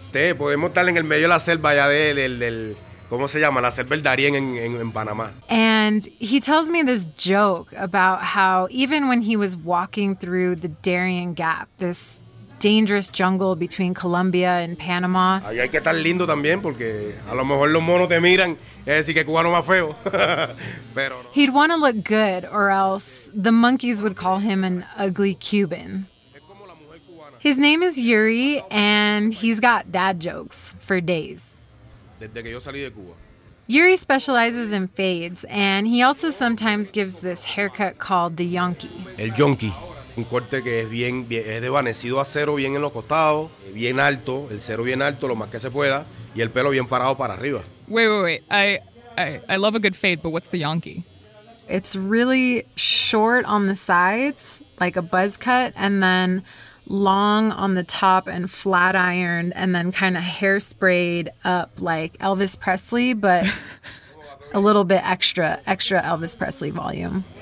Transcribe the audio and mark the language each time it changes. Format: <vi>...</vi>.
<es>Sí, podemos estar en el medio de la selva allá del ¿cómo se llama? La selva del Darién en Panamá.</es> <en>And he tells me this joke about how even when he was walking through the Darién Gap, this dangerous jungle between Colombia and Panama.</en> <es>Ahí hay que estar lindo también porque a lo mejor los monos te miran y decir que cubano más feo. Pero no.</es> <en>He'd want to look good or else the monkeys would call him an ugly Cuban. His name is Yuri and he's got dad jokes for days.</en> <es>Desde que yo salí de Cuba.</es> <en>Yuri specializes in fades and he also sometimes gives this haircut called the Yonki.</en> <es>El Yonki. Un corte que es bien es desvanecido a cero bien en los costados, bien alto, el cero bien alto lo más que se pueda y el pelo bien parado para arriba.</es> <en>Wait. I love a good fade, but what's the Yonki? It's really short on the sides, like a buzz cut, and then long on the top and flat ironed and then kind of hairsprayed up like Elvis Presley, but a little bit extra Elvis Presley volume.</en>